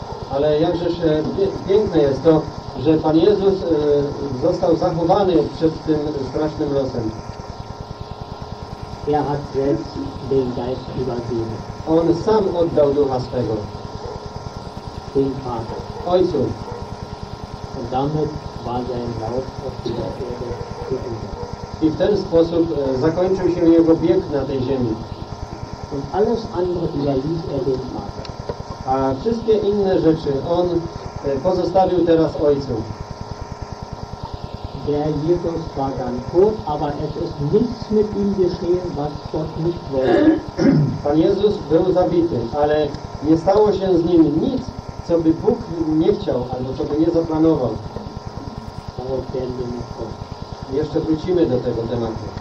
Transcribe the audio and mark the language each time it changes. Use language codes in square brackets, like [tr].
[pl] Ale jakżeż piękne jest to, że Pan Jezus został zachowany przed tym strasznym losem. [de] Er hat selbst den Geist übergeben. [pl] On sam oddał Ducha swego. [de] Den Vater. [pl] Ojcu. [de] Und damit war sein Lauf auf dieser Erde zu Ende. [pl] I w ten sposób zakończył się jego bieg na tej ziemi. [de] Und alles andere überließ er dem Vater. [pl] A wszystkie inne rzeczy on pozostawił teraz Ojcu. [de] Der Jesus war dann tot, aber es ist nichts mit ihm geschehen, was Gott nicht wollte. [pl] Pan Jezus był zabity, ale nie stało się z nim nic, co by Bóg nie chciał, albo co by nie zaplanował. Jeszcze wrócimy do tego tematu.